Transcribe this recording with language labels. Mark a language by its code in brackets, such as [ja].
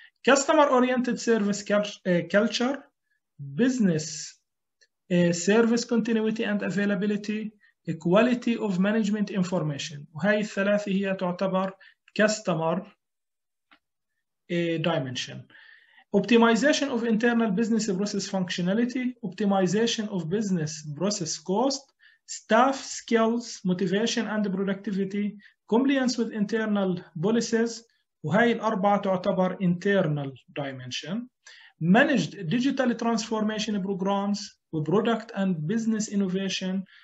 [en] customer oriented service culture, business service continuity and availability, quality of management information. [ar] وهي الثلاثة هي تعتبر [en] customer dimension. Optimization of internal business process functionality, optimization of business process cost, staff skills, motivation and productivity, compliance with internal policies. [ar] وهي الأربعة تعتبر [en] internal dimension. Managed digital transformation programs, product and business innovation.